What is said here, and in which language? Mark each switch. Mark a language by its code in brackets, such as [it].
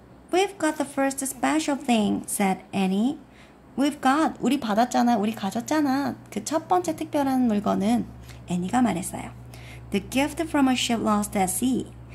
[en] We've got the first special thing, said Annie. We've got. [ko] 우리 받았잖아. 우리 가졌잖아. 그 첫 번째 특별한 물건은 애니가 말했어요. [en] The gift from a ship lost at sea.